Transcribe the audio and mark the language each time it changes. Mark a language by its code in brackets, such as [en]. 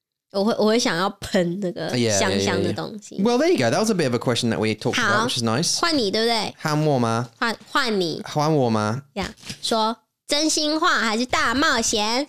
[zh] 我会想要喷那个香香的东西。 [en] Well, there you go. That was a bit of a question that we talked about, which is nice. [zh] 换你对不对？换我吗？换你。换我吗？呀，说真心话还是大冒险？